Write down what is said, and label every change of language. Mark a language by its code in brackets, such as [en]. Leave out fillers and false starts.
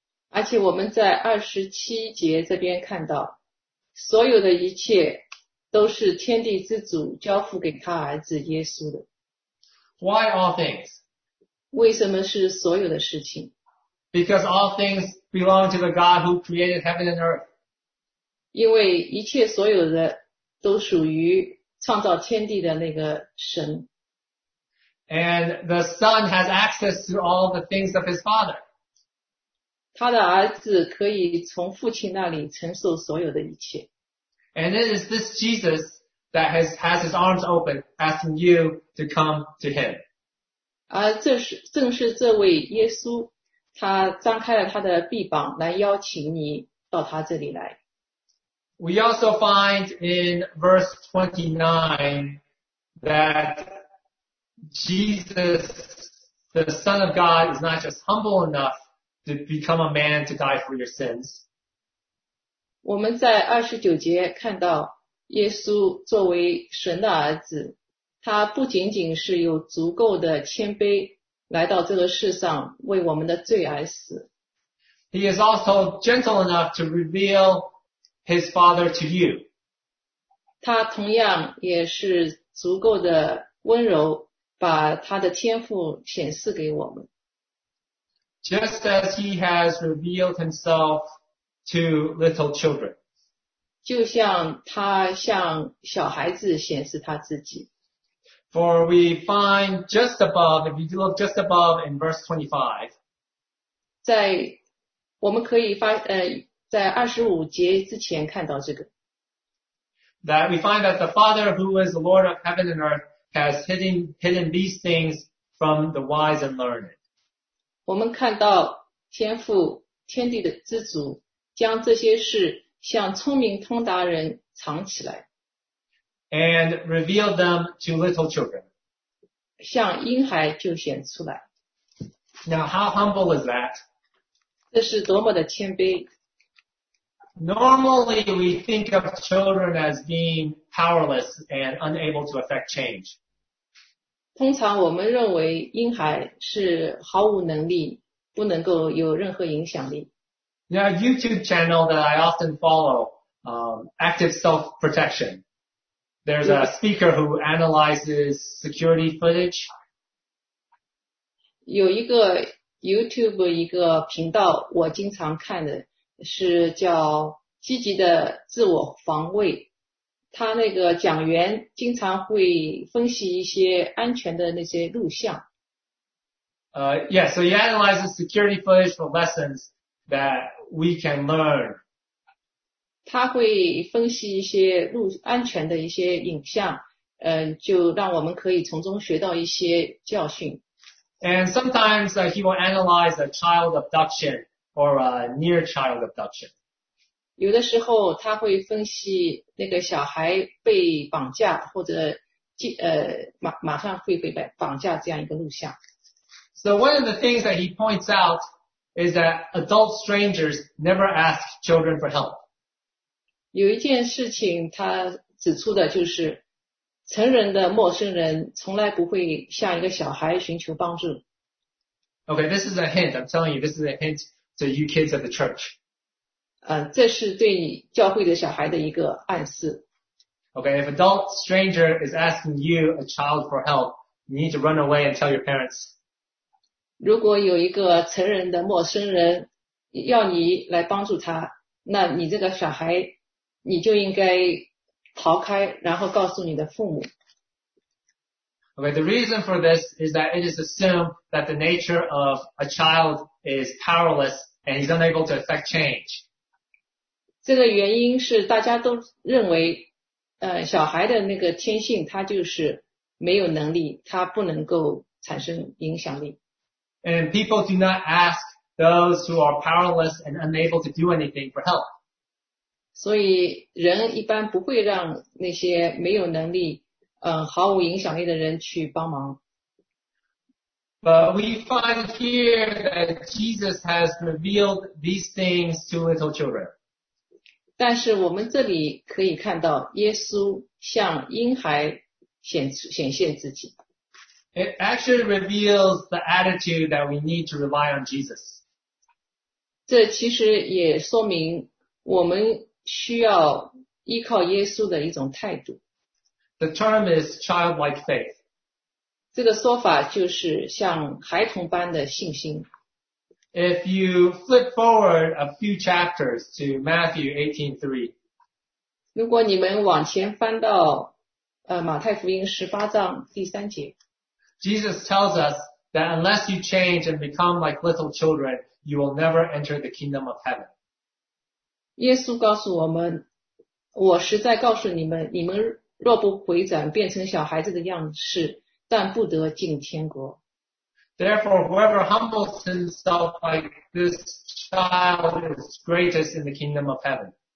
[zh] 而且我们在27这边看到，所有的一切都是天地之主交付给他儿子耶稣的。 [en] Why all things? [zh] 为什么是所有的事情？ [en] Because all things belong to the God who created heaven and earth. [zh] 因为一切所有的都属于创造天地的那个神。 [en] And the son has access to all the things of his father. [zh] 他的儿子可以从父亲那里承受所有的一切。 [en] And it is this Jesus that has his arms open asking you to come to him. [zh] 正是这位耶稣，他张开了他的臂膀来邀请你到他这里来。 [en] We also find in verse 29 that Jesus, the Son of God, is not just humble enough to become a man to die for your sins. [zh] 我们在29看到耶稣作为神的儿子，他不仅仅是有足够的谦卑来到这个世上为我们的罪而死。 [en] He is also gentle enough to reveal His father to you. [zh] 他同样也是足够的温柔，把他的天父显示给我们。 [en] Just as he has revealed himself to little children. [zh] 就像他向小孩子显示他自己。 [en] For we find just above, if you look just above in verse 25. [zh] 在我们可以发在25节之前看到这个。 [en] That we find that the Father who is the Lord of heaven and earth has hidden these things from the wise and learned. [zh] 我们看到天父天地的之主将这些事向聪明通达人藏起来。 [en] And reveal them to little children. [zh] 向婴孩就显出来。 [en] Now how humble is that? [zh] 这是多么的谦卑。 [en] Normally we think of children as being powerless and unable to affect change. [zh] 通常我们认为婴孩是毫无能力，不能够有任何影响力。 [en] Now a YouTube channel that I often follow, Active Self-Protection. There's a speaker who analyzes security footage. [zh] 有一个 YouTube 一个频道我经常看的。是叫积极的自我防卫，他那个讲员经常会分析一些安全的那些录像。 [en] Yeah, so he analyzes security footage for lessons that we can learn. [zh] 他会分析一些安全的一些影像，就让我们可以从中学到一些教训。 [en] And sometimes he will analyze a child abduction. Or a near child abduction. [zh] 有的时候他会分析那个小孩被绑架或者马上会被绑架这样一个录像。 [en] So one of the things that he points out is that adult strangers never ask children for help. [zh] 有一件事情他指出的就是成人的陌生人从来不会向一个小孩寻求帮助。 [en] Okay, this is a hint. I'm telling you, this is a hint. So you kids at the church. [zh] 这是对教会的小孩的一个暗示。 [en] Okay, if an adult stranger is asking you, a child, for help, you need to run away and tell your parents. [zh] 如果有一个成人的陌生人要你来帮助他，那你这个小孩，你就应该逃开，然后告诉你的父母。 [en] Okay, the reason for this is that it is assumed that the nature of a child is powerless and he's unable to affect change. [zh] 这个原因是大家都认为小孩的那个天性他就是没有能力，他不能够产生影响力。 [en] And people do not ask those who are powerless and unable to do anything for help. [zh] 所以人一般不会让那些没有能力毫无影响力的人去帮忙。 [en] But we find here that Jesus has revealed these things to little children. [zh] 但是我们这里可以看到耶稣向婴孩显现自己。 [en] It actually reveals the attitude that we need to rely on Jesus. [zh] 这其实也说明我们需要依靠耶稣的一种态度。 [en] The term is childlike faith. [zh] 这个说法就是像孩童般的信心。 [en] If you flip forward a few chapters to Matthew 18:3, [zh] 如果你们往前翻到马太福音十八章第三节， [en] Jesus tells us that unless you change and become like little children, you will never enter the kingdom of heaven. [zh] 耶稣告诉我们，我实在告诉你们，你们若不回转变成小孩子的样式，但不得进天国。 [en] Therefore, whoever humbles himself like this child is greatest in the kingdom of heaven.